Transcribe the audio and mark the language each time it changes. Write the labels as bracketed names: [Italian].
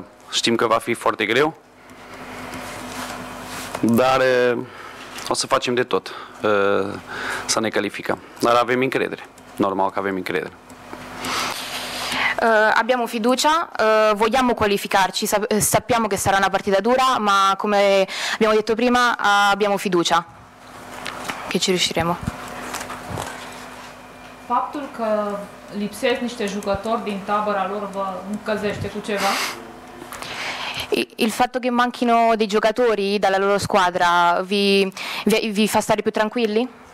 [Romanian] Știm că va fi foarte greu, dar o să facem de tot să ne calificăm. Dar avem încredere. Normal că avem încredere. [Italian] Abbiamo fiducia, vogliamo qualificarci, sappiamo che sarà una partita dura, ma come abbiamo detto prima, abbiamo fiducia che ci riusciremo. [Romanian] Faptul că lipsesc niște jucători din tabăra lor vă încălzește cu ceva? [Italian] Il fatto che manchino dei giocatori dalla loro squadra vi fa stare più tranquilli?